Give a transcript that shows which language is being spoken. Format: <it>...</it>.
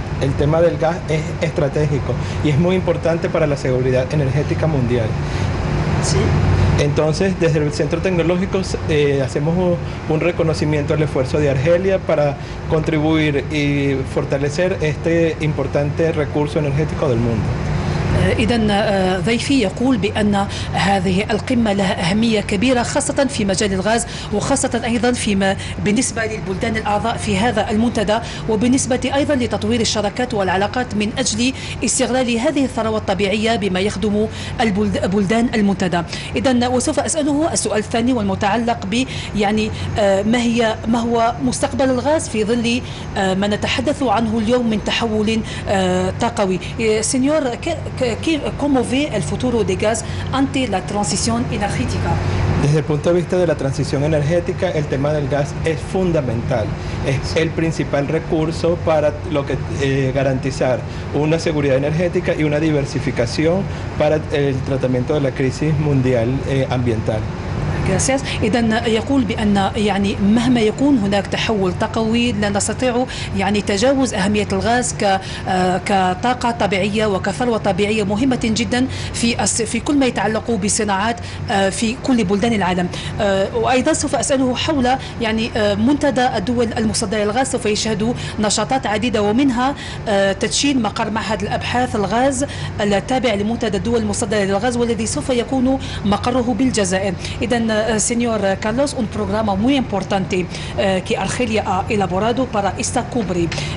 <es>El tema del gas es estratégico y es muy importante para la seguridad energética mundial. Sí. Entonces, desde el Centro Tecnológico hacemos un reconocimiento al esfuerzo de Argelia para contribuir y fortalecer este importante recurso energético del mundo.</es> <ar>إذن ضيفي يقول بأن هذه القمة لها أهمية كبيرة خاصة في مجال الغاز، وخاصة أيضا فيما بالنسبة للبلدان الأعضاء في هذا المنتدى، وبالنسبة أيضا لتطوير الشراكات والعلاقات من أجل استغلال هذه الثروة الطبيعية بما يخدم بلدان المنتدى. إذن وسوف أسأله السؤال الثاني والمتعلق ب يعني ما هو مستقبل الغاز في ظل ما نتحدث عنه اليوم من تحول طاقوي.</ar> <es>سينيور ¿Cómo ve el futuro de gas ante la transición energética? Desde el punto de vista de la transición energética, el tema del gas es fundamental. Es el principal recurso para lo que garantizar una seguridad energética y una diversificación para el tratamiento de la crisis mundial ambiental. Gracias.</es> <ar>إذن يقول بأن يعني مهما يكون هناك تحول طاقوي لا نستطيع يعني تجاوز أهمية الغاز كطاقة طبيعية وكثروة طبيعية مهمة جدا في كل ما يتعلق بصناعات في كل بلدان العالم. وأيضا سوف أسأله حول يعني منتدى الدول المصدرة للغاز سوف يشهد نشاطات عديدة ومنها تدشين مقر معهد الأبحاث الغاز التابع لمنتدى الدول المصدرة للغاز والذي سوف يكون مقره بالجزائر.</ar> <es>إذن señor Carlos, un programa muy importante que Argelia ha elaborado para esta cumbre.</es>